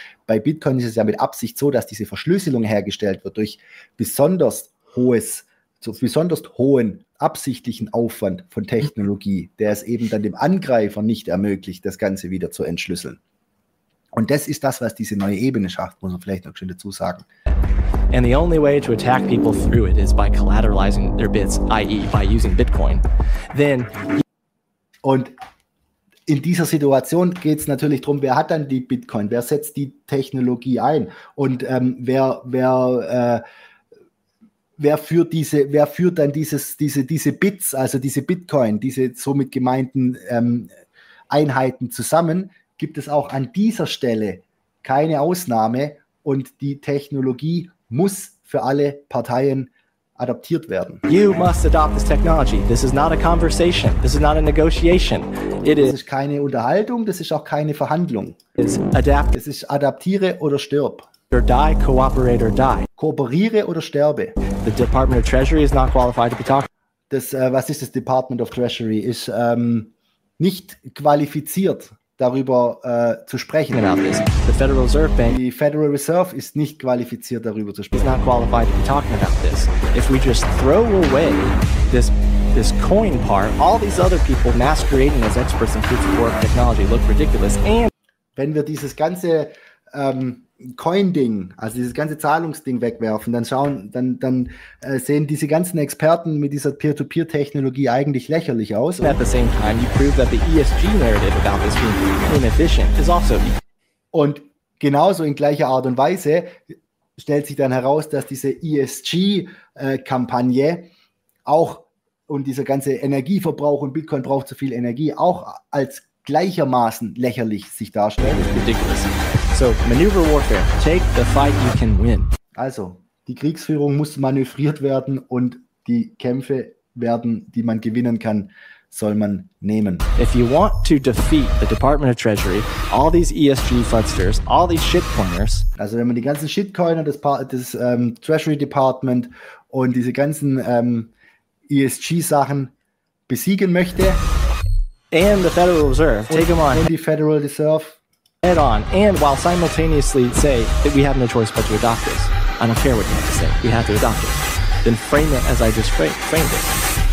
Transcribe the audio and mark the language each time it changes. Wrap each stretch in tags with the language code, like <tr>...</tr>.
<de>Bei Bitcoin ist es ja mit Absicht so, dass diese Verschlüsselung hergestellt wird durch besonders hohes, so besonders hohen absichtlichen Aufwand von Technologie, der es eben dann dem Angreifer nicht ermöglicht, das Ganze wieder zu entschlüsseln. Und das ist das, was diese neue Ebene schafft, muss man vielleicht noch schön dazu sagen.</de> <en>And the only way to attack people through it is by collateralizing their bits, i.e. by using Bitcoin. Then</en> <de>und in dieser Situation geht es natürlich darum, wer hat dann die Bitcoin? Wer setzt die Technologie ein? Und wer führt dann diese Bits, also diese Bitcoin, diese somit gemeinten Einheiten zusammen? Gibt es auch an dieser Stelle keine Ausnahme und die Technologie muss für alle Parteien adaptiert werden.</de> <en>You must adopt this technology. This is not a conversation. This is not a negotiation. It is.</en> <de>Das ist keine Unterhaltung, das ist auch keine Verhandlung.</de> <en>It's adapt.</en> <de>Es ist adaptiere oder stirb.</de> <en>Or die, cooperate or die.</en> <de>Kooperiere oder sterbe.</de> <en>The Department of Treasury is not qualified to be talking.</en> <de>Das, was ist das Department of Treasury? Ist nicht qualifiziert, darüber zu sprechen.</de> <en>The Federal Reserve Bank.</en> <de>Die Federal Reserve ist nicht qualifiziert, darüber zu sprechen.</de> <en>Not qualified to be talking about this. If we just throw away this coin part, all these other people masquerading as experts in proof of work technology look ridiculous. And</en> <de>wenn wir dieses ganze Coin-Ding, also dieses ganze Zahlungsding wegwerfen, dann sehen diese ganzen Experten mit dieser Peer-to-Peer-Technologie eigentlich lächerlich aus.</de> <en>At the same time, you prove that the ESG-Narrative about this being inefficient is also.</en> <de>Und genauso in gleicher Art und Weise stellt sich dann heraus, dass diese ESG-Kampagne auch und dieser ganze Energieverbrauch und Bitcoin braucht zu viel Energie auch als gleichermaßen lächerlich sich darstellt.</de> <en>Ridiculous. So, maneuver warfare. Take the fight you can win.</en> <de>Also, die Kriegsführung muss manövriert werden und die Kämpfe werden, die man gewinnen kann, soll man nehmen.</de> <en>If you want to defeat the Department of Treasury, all these ESG fudsters, all these shitcoiners.</en> <de>Also, wenn man die ganzen Shitcoiner des Treasury Department und diese ganzen ESG-Sachen besiegen möchte.</de> <en>And the Federal Reserve. Take them on. And the Federal Reserve. Head on, and while simultaneously say that we have no choice but to adopt this, I don't care what you have to say, we have to adopt it, then frame it as I just framed it.</en>